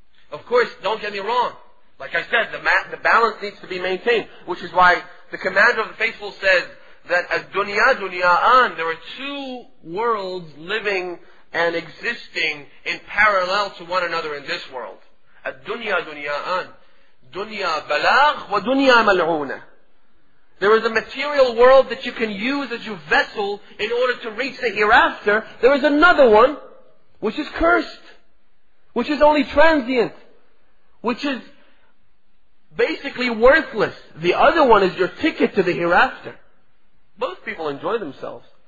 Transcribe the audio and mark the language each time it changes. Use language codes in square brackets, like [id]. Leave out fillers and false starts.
[en] Of course, don't get me wrong. Like I said, the balance needs to be maintained. Which is why the commander of the faithful says that [ar] الدنيا دنياءان. [en] There are two worlds living and existing in parallel to one another in this world. [ar] الدنيا دنياءان دنيا بلاغ ودنيا ملعونة. [en] There is a material world that you can use as your vessel in order to reach the hereafter. There is another one which is cursed, which is only transient, which is basically worthless. The other one is your ticket to the hereafter. Both people enjoy themselves.